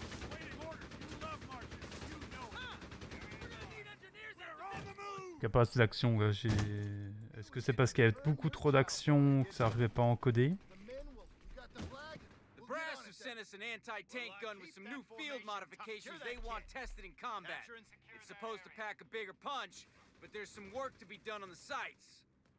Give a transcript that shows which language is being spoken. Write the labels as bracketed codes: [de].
[en] Waiting orders, you love marches, you know it! We're gonna need engineers after this! We're on the move! [fr] Capacité d'action, là, j'ai... Est-ce que c'est parce qu'il y avait beaucoup trop d'action que ça n'arrivait pas à encoder? [en] The brass have sent us an anti-tank gun with some new field modifications they want tested in combat. It's supposed to pack a bigger punch, but there's some work to be done on the sights.